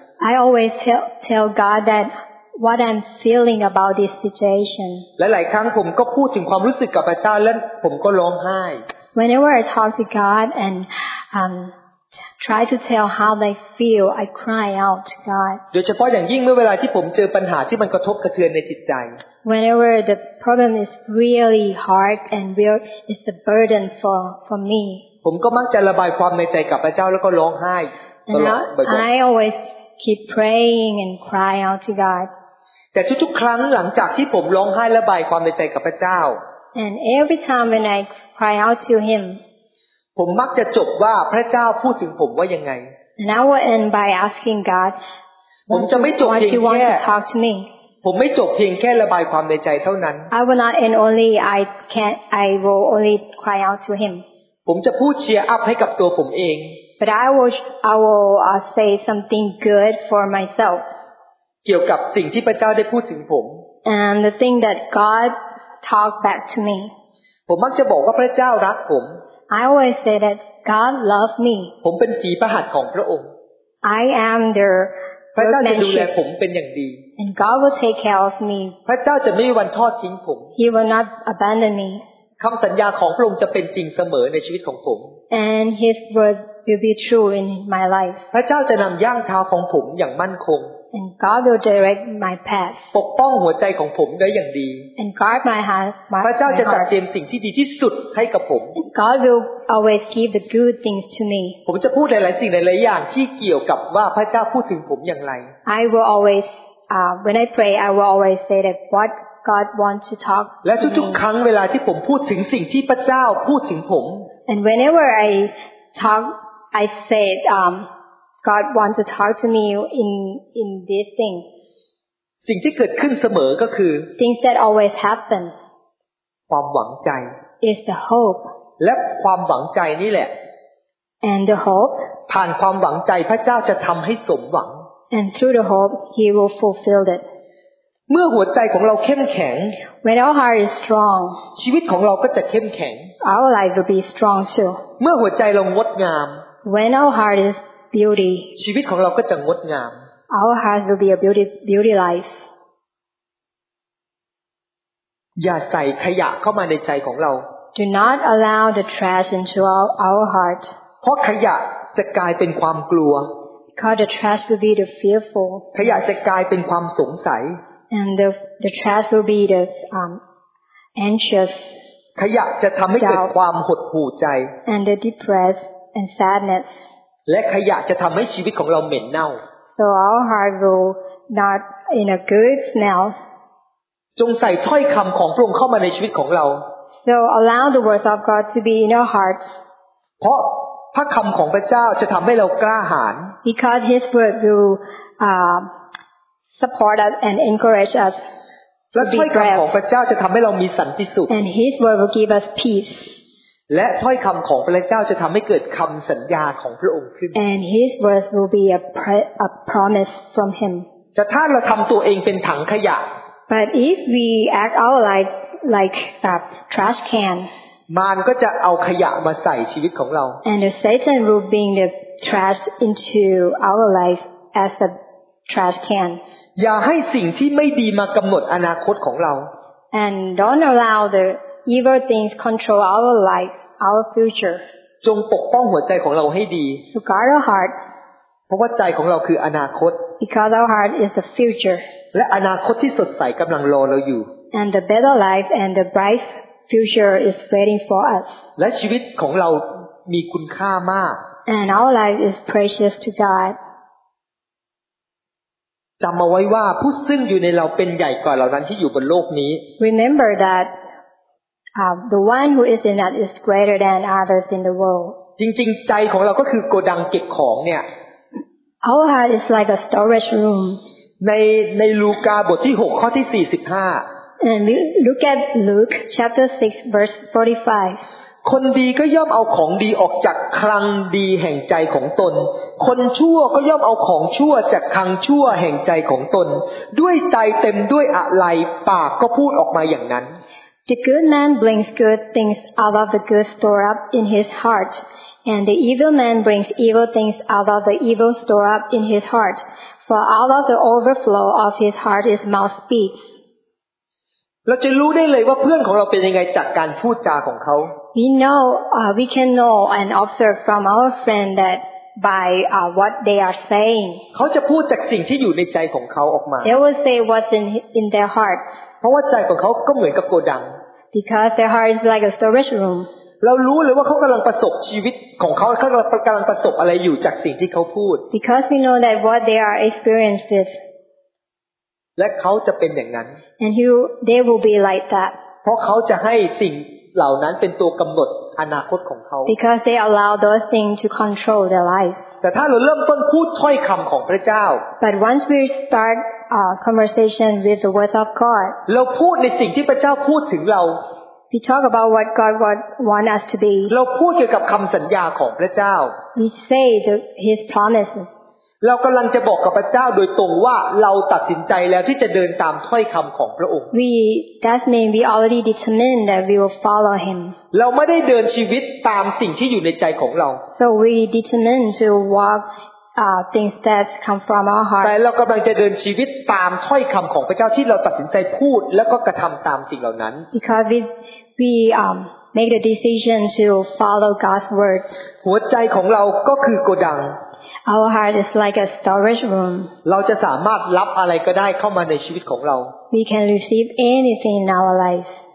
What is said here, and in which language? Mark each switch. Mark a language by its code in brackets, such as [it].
[en] I always tell God that what I'm feeling about this situation [th] หลายๆครั้งผมก็พูดถึงความรู้สึกกับพระเจ้าแล้วผมก็ร้องไห้ [en] Whenever I talk to God andtry to tell how I feel I cry out to God [th] โดยเฉพาะอย่างยิ่งเมื่อเวลาที่ผมเจอปัญหาที่มันกระทบกระเทือนในจิตใจ [en] Whenever the problem is really hard and really is a burden for me [th] ผมก็มักจะระบายความในใจกับพระเจ้าแล้วก็ร้องไห้ตลอด [en] I always keep praying and cry out to God [th] แต่ทุกๆครั้งหลังจากที่ผมร้องไห้ระบายความในใจกับพระเจ้า [en] And every time when I cry out to him [th] ผมมักจะจบว่าพระเจ้าพูดถึงผมว่ายังไง [en] Now and by asking God [th] ผมจะไม่จบเพียงแค่ [en] talk to me [th] ผมไม่จบเพียงแค่ระบายความในใจเท่านั้น [en] I will not and only I will only cry out to him [th] ผมจะพูดเชียร์อัพให้กับตัวผมเอง [en] But I will say something good for myself [th] เกี่ยวกับสิ่งที่พระเจ้าได้พูดถึงผม [en] And the thing that God talked back to me [th] ผมมักจะบอกว่าพระเจ้ารักผม [en] I always say that God loves me. [th] ผมเป็นฝีพระหัตถ์ของพระองค์ [en] I am the [th] พระเจ้าจะดูแลผมเป็นอย่างดี [en] And God will take care of me. [th] พระเจ้าจะไม่มีวันทอดทิ้งผม [en] He will not abandon me. [th] คำสัญญาของพระองค์จะเป็นจริงเสมอในชีวิตของผม [en] And His word will be true in my life. [th] พระเจ้าจะนำย่างเท้าของผมอย่างมั่นคง [en] And God will direct my path. [th] ปกป้องหัวใจของผมได้อย่างดี [en] And guard my heart. [th] พระเจ้าจะจัดเตรียมสิ่งที่ดีที่สุดให้กับผม [en] And God will always give the good things to me. [th] ผมจะพูดหลายๆสิ่งหลายๆอย่างที่เกี่ยวกับว่าพระเจ้าพูดถึงผมอย่างไร [en] I will always when I pray I will always say that what God wants to talk. [th] และทุกๆครั้งเวลาที่ผมพูดถึงสิ่งที่พระเจ้าพูดถึงผม [en] And whenever I talk I said God wants to talk to me in this thing. [th] สิ่งที่เกิดขึ้นเสมอก็คือ [en] Things that always happen. [th] ความหวังใจ [en] is the hope. [th] และความหวังใจนี่แหละ [en] And the hope. [th] ผ่านความหวังใจพระเจ้าจะทำให้สมหวัง [en] And through the hope, He will fulfill it. [th] เมื่อหัวใจของเราเข้มแข็ง [en] When our heart is strong, [th] ชีวิตของเราก็จะเข้มแข็ง [en] Our life will be strong too. [th] เมื่อหัวใจเรางดงาม [en] When our heart isBeauty. [th] ชีวิตของเราก็จะงดงาม [en] Our heart will be a beauty life. [th] อย่าใส่ขยะเข้ามาในใจของเรา [en] Do not allow the trash into our heart. [th] เพราะขยะจะกลายเป็นความกลัว [en] Because the trash will be the fearful. [th] ขยะจะกลายเป็นความสงสัย [en] And the trash will be the anxious. [th] ขยะจะทำให้เกิดความหดหู่ใจ [en] And the depressed and sadness. [th] และขยะจะทำให้ชีวิตของเราเหม็นเน่า [en] So our heart will not in a good smell [th] จงใส่ถ้อยคำของพระองค์เข้ามาในชีวิตของเรา [en] So allow the words of God to be in your heart [th] เพราะพระคำของพระเจ้าจะทำให้เรากล้าหาญ [en] Because His word will support us and encourage us [th] และถ้อยคำของพระเจ้าจะทำให้เรามีสันติสุข [en] And His word will give us peace [th] และถ้อยคำของพระเจ้าจะทำให้เกิดคำสัญญาของพระองค์ขึ้น [en] And His words will be a promise from Him. [th] แต่ถ้าเราทำตัวเองเป็นถังขยะ [en] But if we act out like that trash can, [th] มารก็จะเอาขยะมาใส่ชีวิตของเรา [en] And Satan will bring the trash into our life as a trash can. [th] อย่าให้สิ่งที่ไม่ดีมากำหนดอนาคตของเรา [en] And don't allow theEvil things control our life, our future. [th] จงปกป้องหัวใจของเราให้ดี [en] To guard our heart. [th] เพราะว่าใจของเราคืออนาคต [en] Because our heart is the future. [th] และอนาคตที่สดใสกำลังรอเราอยู่ [en] And the better life and the bright future is waiting for us. [th] และชีวิตของเรามีคุณค่ามาก [en] And our life is precious to God. [th] จำเอาไว้ว่าผู้ซึ่งอยู่ในเราเป็นใหญ่กว่าเหล่านั้นที่อยู่บนโลกนี้ [en] Remember thatthe one who is in us is greater than others in the world [th] จริงๆใจของเราก็คือโกดังเก็บของเนี่ย [en] our heart is like a storage room [th] ในลูกาบทที่6ข้อที่45 [en] and look at Luke chapter 6 verse 45 [th] คนดีก็ย่อมเอาของดีออกจากคลังดีแห่งใจของตนคนชั่วก็ย่อมเอาของชั่วจากคลังชั่วแห่งใจของตนด้วยใจเต็มด้วยอะไรปากก็พูดออกมาอย่างนั้น [en] The good man brings good things out of the good store up in his heart and the evil man brings evil things out of the evil store up in his heart for out of the overflow of his heart his mouth speaks [th] เราจะรู้ได้เลยว่าเพื่อนของเราเป็นยังไงจากการพูดจาของเขา [en] We know we can know and observe from our friend that by what they are saying [th] เขาจะพูดจากสิ่งที่อยู่ในใจของเขาออกมา [en] They will say what's in their heart [th] เพราะว่าใจของเขาก็เหมือนกับโกดัง [en] Because their heart is like a storage room [th] เรารู้เลยว่าเขากำลังประสบชีวิตของเขาเขากำลังประสบอะไรอยู่จากสิ่งที่เขาพูด [en] Because we know that what they are experiencing [th] และเขาจะเป็นอย่างนั้น [en] And he, they will be like that. [th] เพราะเขาจะให้สิ่งเหล่านั้นเป็นตัวกำหนดอนาคตของเขา [en] Because they allow those things to control their life. [th] แต่ถ้าเราเริ่มต้นพูดถ้อยคำของพระเจ้า [en] But once we start a conversation with the words of God. [th] เราพูดในสิ่งที่พระเจ้าพูดถึงเรา [en] We talk about what God wants us to be. [th] เราพูดเกี่ยวกับคำสัญญาของพระเจ้า [en] We say His promises. [th] เรากำลังจะบอกกับพระเจ้าโดยตรงว่าเราตัดสินใจแล้วที่จะเดินตามถ้อยคำของพระองค์ [en] We that mean we already determined that we will follow him [th] เราไม่ได้เดินชีวิตตามสิ่งที่อยู่ในใจของเรา [en] So we determined to walk things that come from our heart [th] แต่เรากำลังจะเดินชีวิตตามถ้อยคำของพระเจ้าที่เราตัดสินใจพูดแล้วก็กระทำตามสิ่งเหล่านั้น [en] Because we make the decision to follow God's word [th] หัวใจของเราก็คือโกดัง [en] Our heart is like a storage room. [th] เราจะสามารถรับอะไรก็ได้เข้ามาในชีวิตของเรา [en] We can receive anything in our life.